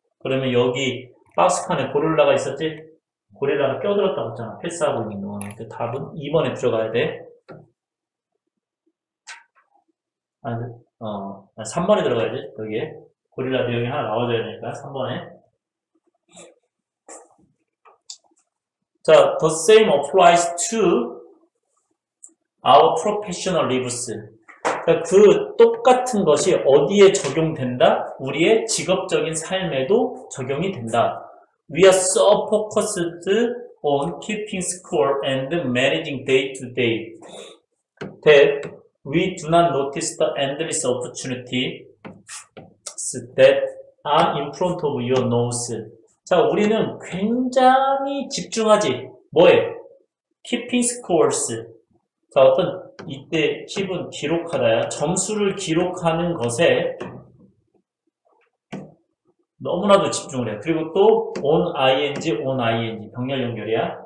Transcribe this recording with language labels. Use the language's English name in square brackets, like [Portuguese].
[Korean] 그러면 여기 박스판에 고릴라가 있었지? 고릴라가 껴들었다고 했잖아. 패스하고 있는 거는. 그 답은 2번에 들어가야 돼. 아니, 3번에 들어가야 돼. 여기에. 고릴라 내용이 하나 나와줘야 되니까, 3번에. [English] 자, the same applies to our professional lives. [Korean] 그 똑같은 것이 어디에 적용된다? 우리의 직업적인 삶에도 적용이 된다. [English] We are so focused on keeping score and managing day to day that we do not notice the endless opportunities that are in front of your nose. [Korean] 자, 우리는 굉장히 집중하지. 뭐해? [English] Keeping scores. [Korean] 자, 어떤 이때 keep은 기록하다야. 점수를 기록하는 것에 너무나도 집중을 해. 그리고 또 on ing 병렬 연결이야.